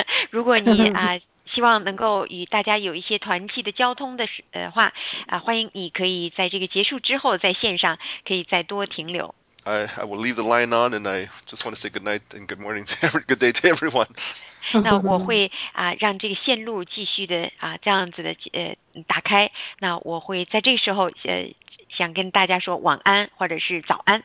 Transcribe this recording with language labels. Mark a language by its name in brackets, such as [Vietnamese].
[Chinese] 如果你希望能够与大家有一些团契的交通的话，欢迎你可以在这个结束之后在线上可以再多停留。 [English] I will leave the line on, and I just want to say good night and good morning, good day to everyone. [Chinese] 那我会让这个线路继续的这样子的打开。那我会在这个时候想跟大家说晚安或者是早安。